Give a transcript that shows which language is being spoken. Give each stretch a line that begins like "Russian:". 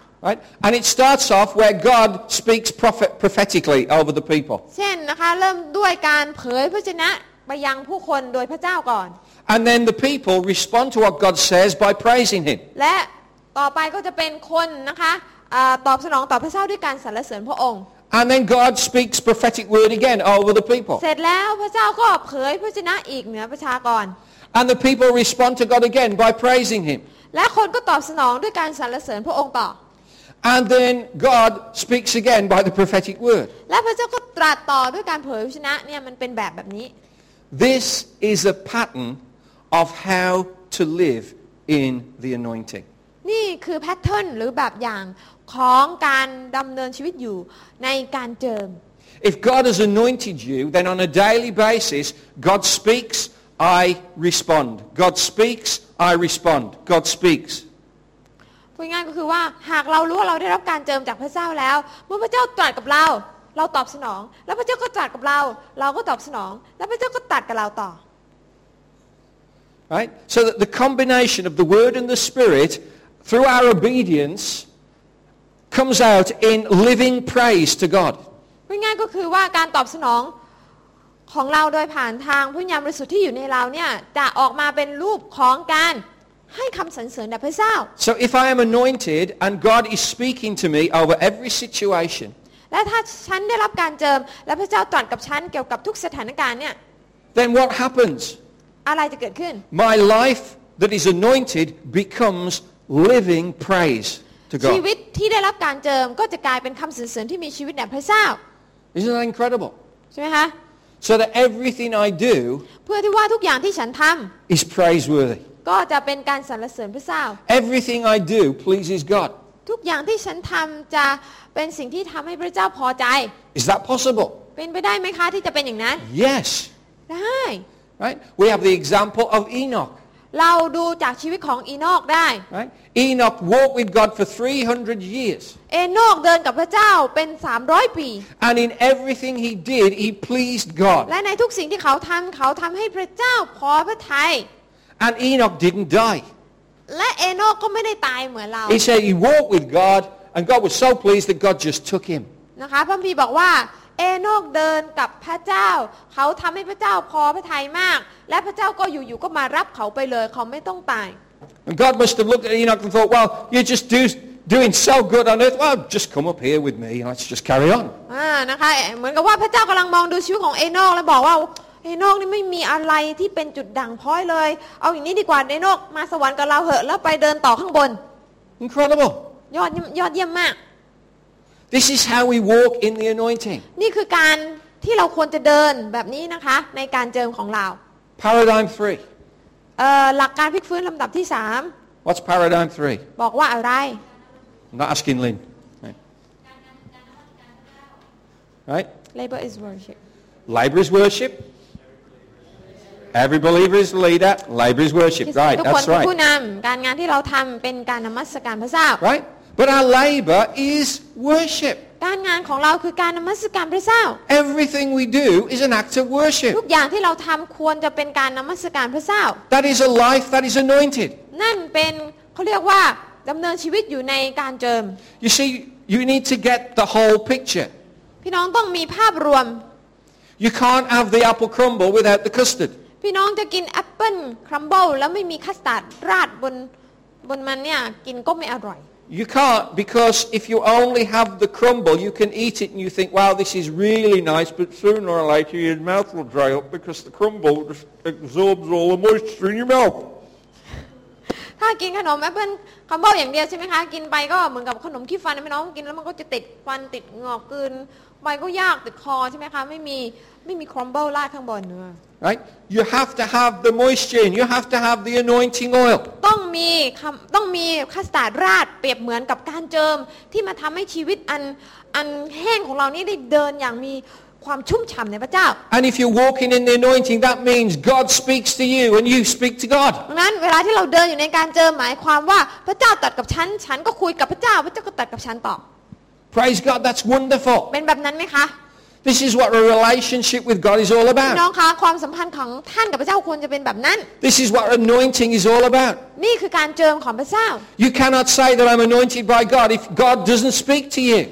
English: right and it starts off where God speaks prophetically over the people
Thai: เช่นนะคะเริ่มด้วยการเผยพระชนะไปยังผู้คนโดยพระเจ้าก่อน
English: and then the people respond to what God says by praising him
Thai: และต่อไปก็จะเป็นคนนะคะตอบสนองต่อพระเจ้าด้วยการสรรเสริญพระองค์
English: and then God speaks prophetic word again over the people
Thai: เสร็จแล้วพระเจ้าก็เผยพระชนะอีกเหนือประชากร
English: And the people respond to God again by praising Him.
Thai: และคนก็ตอบสนองด้วยการสรรเสริญพระองค์ต่อ
English: And then God speaks again by the prophetic word.
Thai: และพระเจ้าก็ตรัสต่อด้วยการเผยพระชนะเนี่ยมันเป็นแบบนี้
English: This is a pattern of how to live in the anointing.
Thai: นี่คือแพทเทิร์นหรือแบบอย่างของการดำเนินชีวิตอยู่ในการเจิม
English: If God has anointed you, then on a daily basis, God speaks. I respond. God speaks. I respond. God speaks.
Thai: พูดง่ายก็คือว่าหากเรารู้ว่าเราได้รับการเจิมจากพระเจ้าแล้วเมื่อพระเจ้าตรัสกับเราเราตอบสนองแล้วพระเจ้าก็ตรัสกับเราเราก็ตอบสนองแล้วพระเจ้าก็ตรัสกับเราต่อ
English: Right. So that the combination of the Word and the Spirit, through our obedience, comes out in living praise to God.
Thai: พูดง่ายก็คือว่าการตอบสนองของเราโดยผ่านทางพระวิญญาณบริสุทธิ์ที่อยู่ในเราเนี่ยจะออกมาเป็นรูปของการให้คำสรรเสริญแด่พระเจ้า
English: So if I am anointed and God is speaking to me over every situation
Thai: และถ้าฉันได้รับการเจิมและพระเจ้าตรัสกับฉันเกี่ยวกับทุกสถานการณ์เนี่ย
English: Then what happens
Thai: อะไรจะเกิดขึ้น
English: My life that is anointed becomes living praise to God
Thai: ชีวิตที่ได้รับการเจิมก็จะกลายเป็นคำสรรเสริญที่มีชีวิตแด่พระเจ้า
English: Isn't that incredible
Thai: ใช่มั้ยคะ
English: So that everything I do
Thai: เพื่อที่ว่าทุกอย่างที่ฉันทำ
English: is praiseworthy
Thai: ก็จะเป็นการสรรเสริญพระเจ้า
English: Everything I do pleases God
Thai: ทุกอย่างที่ฉันทำจะเป็นสิ่งที่ทำให้พระเจ้าพอใจ
English: Is that possible
Thai: เป็นไปได้ไหมคะที่จะเป็นอย่างนั้น
English: Yes
Thai: ได้
English: Right we have the example of Enoch
Thai: เราดูจากชีวิตของอีโนกได้
English: Right Enoch walked with God for 300 years
Thai: เอโนกเดินกับพระเจ้าเป็น300ปี
English: And in everything he did he pleased God
Thai: และในทุกสิ่งที่เขาทำให้พระเจ้าพอพระทัย
English: And Enoch didn't die
Thai: และเอโนก็ไม่ได้ตายเหมือนเรา
English: He said he walked with God and God was so pleased that God just took him
Thai: นะคะพระคัมภีร์บอกว่าเอโนกเดินกับพระเจ้าเขาทำให้พระเจ้าพอพระทัยมากและพระเจ้าก็อยู่ๆก็มารับเขาไปเลยเขาไม่ต้องตาย
English: And God must have looked at Enoch and thought well you just doing so good on earth well just come up here with me let's just carry on
Thai: นะคะเหมือนกับว่าพระเจ้ากำลังมองดูชีวิตของเอโนกแล้วบอกว่าเอโนกนี่ไม่มีอะไรที่เป็นจุดด่างพร้อยเลยเอาอย่างนี้ดีกว่าเอโนกมาสวรรค์กับเราเถอะแล้วไปเดินต่อข้างบน
English: Incredible
Thai: ยอดเยี่ยมมาก
English: This is how we walk in the anointing.
Thai: นี่คือการที่เราควรจะเดินแบบนี้นะคะในการเจิมของเรา
English: Paradigm 3.
Thai: หลักการพลิกฟื้นลำดับที่3.
English: What's paradigm 3?
Thai: บอกว่าอะไร
English: I'm not asking Lynn. Right? Labor is worship. Labor is worship. Every believer is the leader. Labor is worship. Right, that's right.
Thai: ทุกคนผู้นำการงานที่เราทำเป็นการนมัสการพระเจ้า
English: Right? But our labor is worship.
Thai: การงานของเราคือการนมัสการพระเจ้า
English: Everything we do is an act of worship.
Thai: ทุกอย่างที่เราทำควรจะเป็นการนมัสการพระเจ้า
English: That is a life that is anointed.
Thai: นั่นเป็นเขาเรียกว่าดำเนินชีวิตอยู่ในการเจิม
English: You see, you need to get the whole picture.
Thai: พี่น้องต้องมีภาพรวม
English: You can't have the apple crumble without the custard.
Thai: พี่น้องจะกินแอปเปิ้ลครัมเบิลแล้วไม่มีคัสตาร์ดราดบนมันเนี่ยกินก็ไม่อร่อย
English: You can't because if you only have the crumble, you can eat it and you think, "Wow, this is really nice." But sooner or later, your mouth will dry up because the crumble just absorbs all the moisture in your mouth.
Thai: ถ้ากินขนมแอปเปิ้ลครัมเบิลอย่างเดียวใช่ไหมคะกินไปก็เหมือนกับขนมขี้ฟันนะน้องกินแล้วมันก็จะติดฟันติดงอกกินไปก็ยากติดคอใช่ไหมคะไม่มีครัมเบิลราดข้างบนเนื้อ
English: Right? You have to have the moisture. You have to have the anointing oil.
Thai: ต้องมีคัสตาร์ดราดเปรียบเหมือนกับการเจิมที่มาทำให้ชีวิตอันแห้งของเรานี่ได้เดินอย่างมีความชุ่มฉ่ำในพระเจ้า
English: And if you're walking in the anointing, that means God speaks to you, and you speak to God.
Thai: นั้นเวลาที่เราเดินอยู่ในการเจิมหมายความว่าพระเจ้าตรัสกับฉันก็คุยกับพระเจ้าพระเจ้าก็ตรัสกับฉันต่อ
English: Praise God, that's wonderful.
Thai: เป็นแบบนั้นไหมคะ
English: This is what a relationship with God is all about.
Thai: น้องคะความสัมพันธ์ของท่านกับพระเจ้าควรจะเป็นแบบนั้น
English: This is what anointing is all about.
Thai: นี่คือการเจิมของพระเจ้า
English: You cannot say that I'm anointed by God if God doesn't speak to you.